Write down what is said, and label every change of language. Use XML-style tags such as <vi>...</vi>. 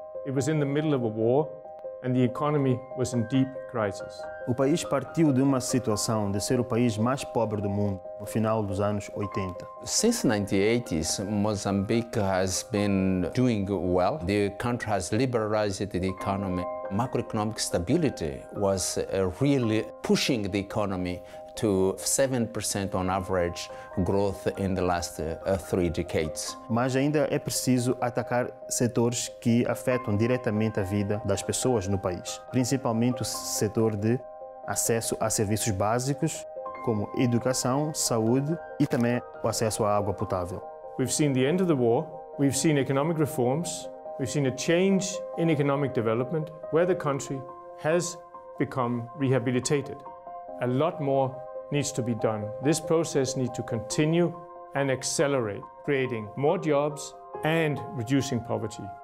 <en>It was in the middle of a war, and the economy was in deep crisis.</en> <pt>O país partiu de uma situação de ser o país mais pobre do mundo no final dos anos 80.</pt> <en>Since the 1980s, Mozambique has been doing well. The country has liberalized the economy. Macroeconomic stability was really pushing the economy to 7% on average growth in the last three decades.</en> <pt>Mas ainda é preciso atacar setores que afetam diretamente a vida das pessoas no país, principalmente o setor de acesso a serviços básicos, como educação, saúde e também o acesso à água potável.</pt> <en>We've seen the end of the war, we've seen economic reforms, we've seen a change in economic development where the country has become rehabilitated. A lot more needs to be done. This process needs to continue and accelerate, creating more jobs and reducing poverty.</en>